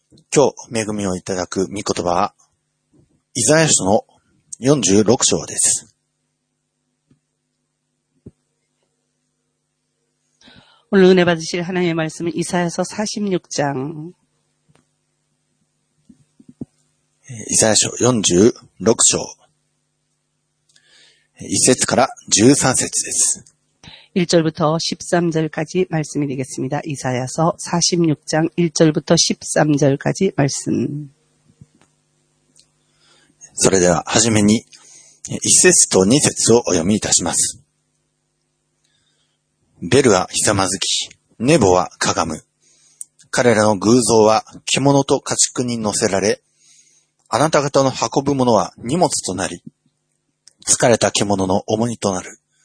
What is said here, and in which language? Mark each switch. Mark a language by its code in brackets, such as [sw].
[ja] 今日恵みをいただく御言葉はイザヤ書の46章です。 [ko] 오늘은혜받으실하나님의말씀은이사야서46장 이사야서46장1절부터13절입니다 1절부터13절까지말씀이되겠습니다이사야서46장1절부터13절까지말씀 [ja] それでは初めに1節と2節をお読みいたします。ベルはひざまずき、ネボはかがむ。彼らの偶像は獣と家畜に乗せられ、あなた方の運ぶものは荷物となり、疲れた獣の重荷となる。